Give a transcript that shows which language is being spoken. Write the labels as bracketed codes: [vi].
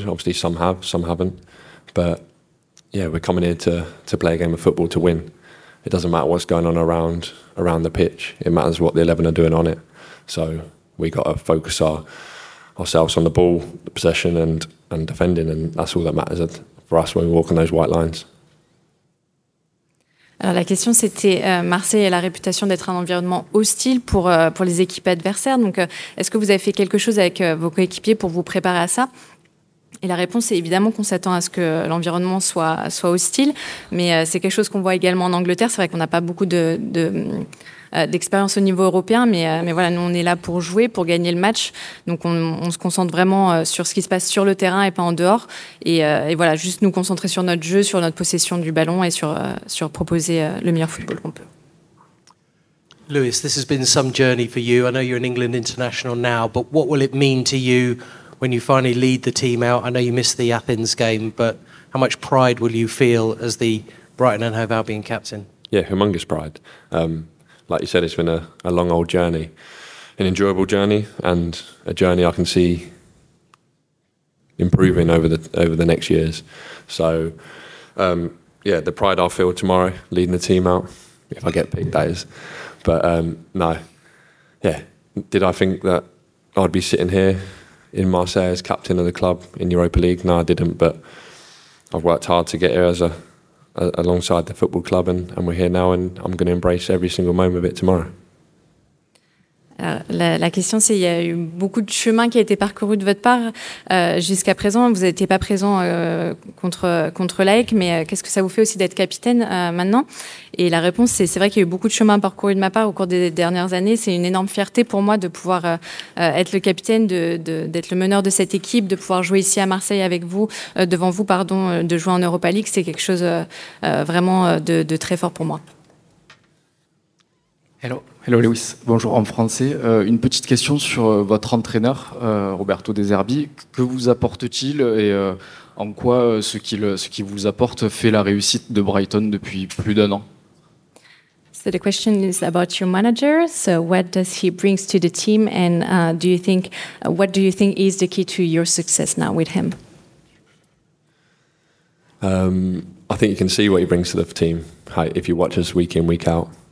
[en] Obviously, some have, some haven't. But yeah, we're coming here to play a game of football to win. It doesn't matter what's going on around the pitch. It matters what the 11 are doing on it. So we got to focus ourselves on the ball, the possession and defending, and that's all that matters for us when we walk on those white lines. [fr] Alors la question c'était, Marseille a la réputation d'être un environnement hostile pour les équipes adversaires. Donc est-ce que vous avez fait quelque chose avec vos coéquipiers pour vous préparer à ça? Et la réponse est évidemment qu'on s'attend à ce que l'environnement soit hostile, mais c'est quelque chose qu'on voit également en Angleterre. C'est vrai qu'on n'a pas beaucoup d'expérience au niveau européen, mais voilà, nous on est là pour jouer, pour gagner le match, donc on se concentre vraiment sur ce qui se passe sur le terrain et pas en dehors, et voilà, juste nous concentrer sur notre jeu, sur notre possession du ballon et sur proposer le meilleur football qu'on peut. [en] Lewis, this has been some journey for you. I know you're an England international now, but what will it mean to you when you finally lead the team out? I know you missed the Athens game, but how much pride will you feel as the Brighton and Hove Albion captain? Yeah, humongous pride. Like you said, it's been a long old journey, an enjoyable journey, and a journey I can see improving over the next years. So, the pride I'll feel tomorrow, leading the team out, if I get picked, that is. But did I think that I'd be sitting here in Marseille as captain of the club in Europa League? No, I didn't, but I've worked hard to get here as alongside the football club, and we're here now, and I'm going to embrace every single moment of it tomorrow. [fr] La question, c'est, il y a eu beaucoup de chemin qui a été parcouru de votre part jusqu'à présent. Vous n'étiez pas présent contre l'AEC, mais qu'est-ce que ça vous fait aussi d'être capitaine maintenant? Et la réponse, c'est vrai qu'il y a eu beaucoup de chemin parcouru de ma part au cours des dernières années. C'est une énorme fierté pour moi de pouvoir être le capitaine, d'être le meneur de cette équipe, de pouvoir jouer ici à Marseille avec vous, devant vous, pardon, de jouer en Europa League. C'est quelque chose vraiment de très fort pour moi. [en] Hello. Hello [fr] Lewis, bonjour en français. Une petite question sur votre entraîneur, Roberto De Zerbi. Que vous apporte-t-il et en quoi ce qu'il vous apporte fait la réussite de Brighton depuis plus d'un an? [en] So the question is about your manager. So what does he bring to the team and what do you think is the key to your success now with him? I think you can see what he brings to the team if you watch us week in, week out.